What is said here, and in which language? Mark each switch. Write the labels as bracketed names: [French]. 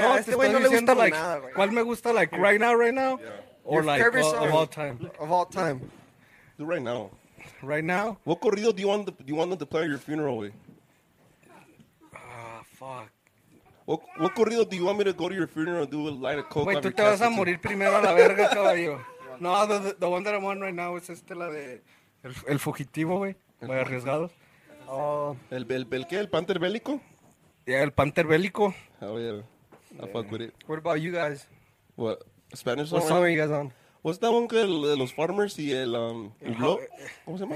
[Spanish] No, este güey no le gusta like, nada, güey. ¿Cuál me gusta, [English] like, right now? Yeah. Or, like, of all time? Of all time. Do right now. Right now? What corrido do you want them to play at your funeral, güey? Ah, fuck. What corrido do you want me to go to your funeral and do a line of coke? [Spanish] Wait, tú te vas a morir primero a la verga, caballo. [English] No, the one that I'm on right now is [Spanish] este, la de... El fugitivo, güey. Muy arriesgado. [English] Oh. [Spanish] ¿El qué? ¿El Panther Bélico? Yeah, el Panther Bélico. [English] Oh, yeah. I fuck with it. What about you guys? What? Spanish song? What song are you guys on? What's that one called? Los Farmers y el... El Hublot? [Spanish] ¿Cómo se llama?